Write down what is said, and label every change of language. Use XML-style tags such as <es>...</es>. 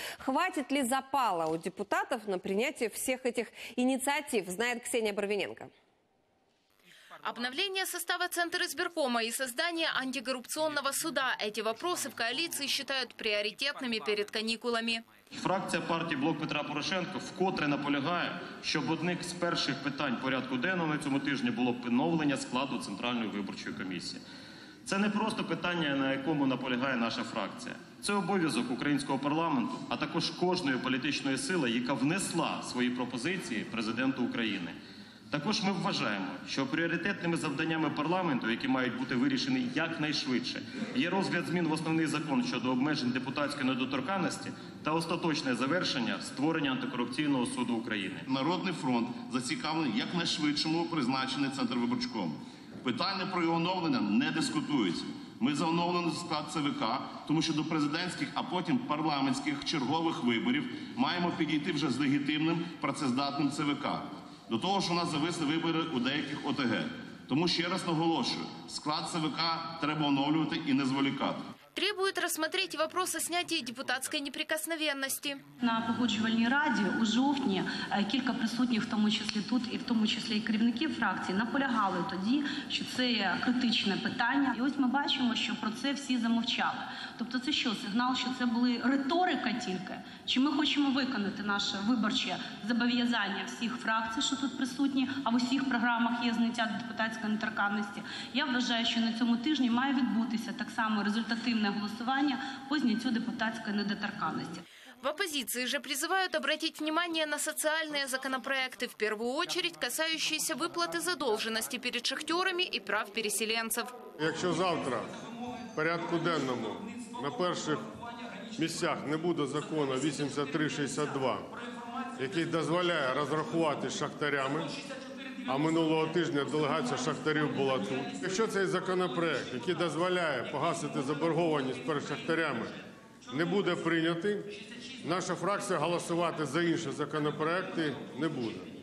<ru>Хватит ли запала у депутатов на принятие всех этих инициатив, знает Ксения Барвиненко. Обновление состава Центризбиркома и создание антикоррупционного суда – эти вопросы в коалиции считают приоритетными перед каникулами.</ru> <uk>Фракція партії «Блок Петра Порошенка» вкотре наполягає, щоб одним з перших питань порядку денного на цьому тижні було поновлення складу Центральної виборчої комісії. Це не просто питання, на якому наполягає наша фракція. Це обов'язок українського парламенту, а також кожної політичної сили, яка внесла свої пропозиції президенту України. Також ми вважаємо, що пріоритетними завданнями парламенту, які мають бути вирішені якнайшвидше, є розгляд змін в основний закон щодо обмежень депутатської недоторканності та остаточне завершення створення антикорупційного суду України. Народний фронт зацікавлений якнайшвидшому призначенні Центризбиркому. Питання про його оновлення не дискутується. Ми за оновлений склад ЦВК, тому що до президентських, а потім парламентських чергових виборів маємо підійти вже з легітимним працездатним ЦВК. До того, що у нас зависли вибори у деяких ОТГ. Тому ще раз наголошую, склад ЦВК треба оновлювати і не зволікати.</uk> <ru>Требует рассмотреть вопрос о снятии депутатской неприкосновенности.</ru> <uk>На погоджувальній раді у жовтні кілька присутніх, в тому числі тут і в тому числі і керівники фракції, наполягали тоді, що це є критичне питання. І ось ми бачимо, що про це всі замовчали. Тобто це що, сигнал, що це була риторика тільки? Чи ми хочемо виконати наше виборче зобов'язання всіх фракцій, що тут присутні, а в усіх програмах є зняття депутатської недоторканності? Я вважаю, що на цьому тижні має відбутися так само результативне голосування по зняттю депутатської недоторканності.</uk> <ru>В оппозиции же призывают обратить внимание на социальные законопроекты, в первую очередь касающиеся выплаты задолженности перед шахтерами и прав переселенцев.</ru> <uk>Якщо завтра в порядку денному на перших місцях не буде закону 8362, який дозволяє розрахувати шахтарями, а минулого тижня делегація шахтарів була тут. Якщо цей законопроект, який дозволяє погасити заборгованість перед шахтарями, не буде прийнятий, наша фракція голосувати за інші законопроекти не буде.</uk>